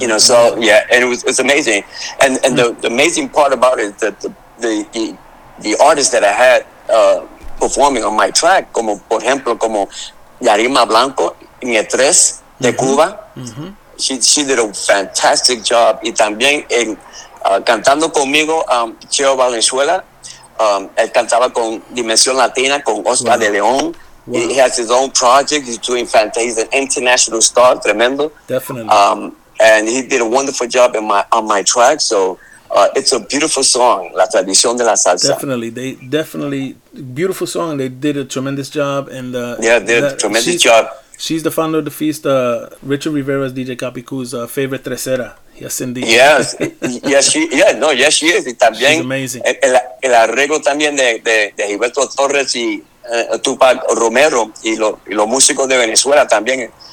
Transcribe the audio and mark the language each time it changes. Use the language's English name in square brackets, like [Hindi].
[English] You know, and it was amazing. And the amazing part about it is that the artists that I had performing on my track, [Spanish] como por ejemplo, como [English] Yarima Blanco, Nietres, de Cuba, she did a fantastic job. [Spanish] Y también en cantando conmigo, Cheo Valenzuela, él cantaba con Dimensión Latina, con Oscar de León. [English] Wow. He has his own project. He's doing fantastic. He's an international star, tremendo. Definitely. And he did a wonderful job on my track. So it's a beautiful song, La Tradición de la Salsa. Definitely. Beautiful song. They did a tremendous job. Job. She's the founder of the feast, Richard Rivera's DJ Capicu's favorite tresera. Yes, indeed. Yes, she is. [Spanish] Y también, [English] she's amazing. [Spanish] El arreglo también de Gilberto Torres y Tupac Romero y los músicos de Venezuela también.